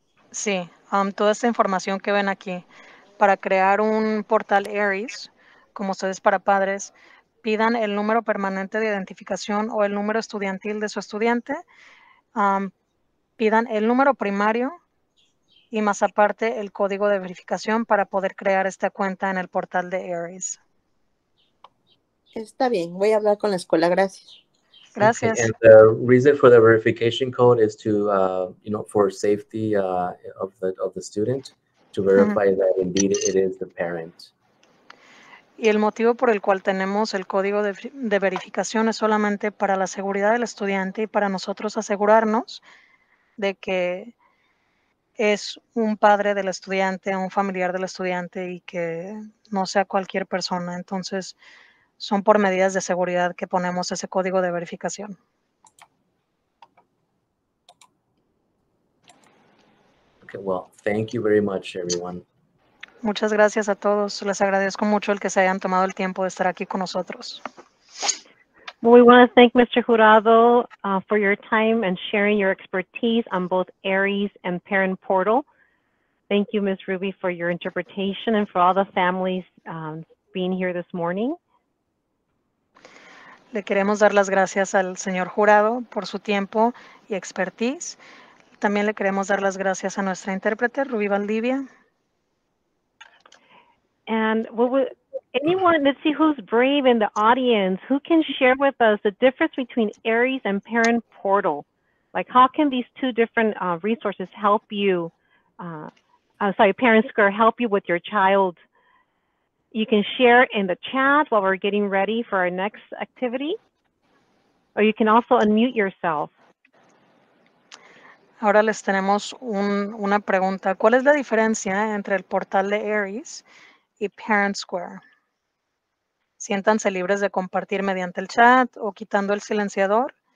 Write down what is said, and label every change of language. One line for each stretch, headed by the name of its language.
Spanish: Sí, toda esta información que ven aquí, para crear un portal Aeries, como ustedes para padres, pidan el número permanente de identificación o el número estudiantil de su estudiante, pidan el número primario y más aparte el código de verificación para poder crear esta cuenta en el portal de Aeries. Está bien, voy a hablar con la escuela, gracias. Gracias. Okay.
English: And the reason for the verification code is to, you know, for safety of the student, to verify that indeed it is the parent.
Spanish: Y el motivo por el cual tenemos el código de verificación es solamente para la seguridad del estudiante y para nosotros asegurarnos de que es un padre del estudiante, un familiar del estudiante y que no sea cualquier persona. Entonces, son por medidas de seguridad que ponemos ese código de verificación.
English: Okay, well, thank you very much, everyone.
Spanish: Muchas gracias a todos. Les agradezco mucho el que se hayan tomado el tiempo de estar aquí con nosotros.
English: We want to thank Mr. Jurado for your time and sharing your expertise on both Aeries and Parent Portal. Thank you, Ms. Ruby, for your interpretation and for all the families being here this morning.
Spanish: Le queremos dar las gracias al señor Jurado por su tiempo y expertise. También le queremos dar las gracias a nuestra intérprete, Ruby Valdivia.
English: And anyone, let's see who's brave in the audience. Who can share with us the difference between Aeries and Parent Portal? Like, how can these two different resources help you, ParentSquare help you with your child? You can share in the chat while we're getting ready for our next activity, or you can also unmute yourself.
Spanish: Ahora les tenemos una pregunta. ¿Cuál es la diferencia entre el portal de Aeries y ParentSquare? Siéntanse libres de compartir mediante el chat o quitando el silenciador.